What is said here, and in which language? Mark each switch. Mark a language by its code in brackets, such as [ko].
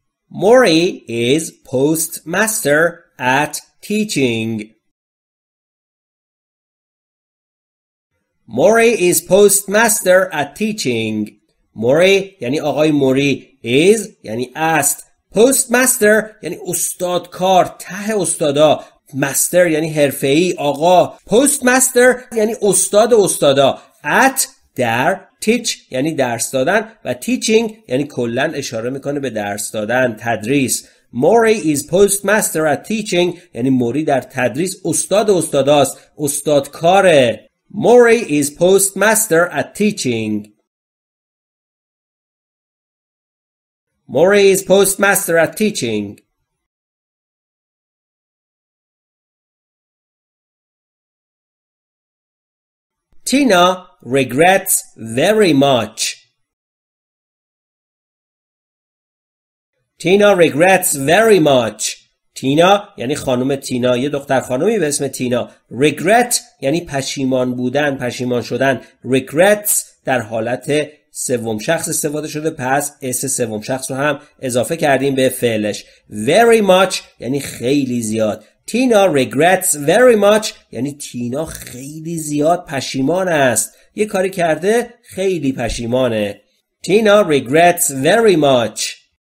[en] Mori is postmaster at teaching. Mori is postmaster at teaching. [fa] Mori یعنی آقای موری is یعنی است. Postmaster یعنی استاد کار، ته استادا. Master یعنی حرفه‌ای، آقا. Postmaster یعنی استاد استادا. At در teach یعنی درس دادن و teaching یعنی کلن اشاره میکنه به درس دادن، تدریس. [en] Mori is postmaster at teaching [fa] یعنی موری در تدریس استاد استاداست، استاد کاره. [en] Mori is postmaster at teaching. Mori is postmaster at teaching. Tina regrets very much. Tina regrets very much. [fa] تینا یعنی خانم تینا، یه دختر خانومی به اسم تینا. Regret یعنی پشیمان بودن، پشیمان شدن. Regrets در حالت سوم شخص استفاده شده، پس اس سوم شخص رو هم اضافه کردیم به فعلش. Very much یعنی خیلی زیاد. تینا [en] regrets very much [fa] یعنی تینا خیلی زیاد پشیمان است، یه کاری کرده خیلی پشیمانه. [en] Tina regrets very much.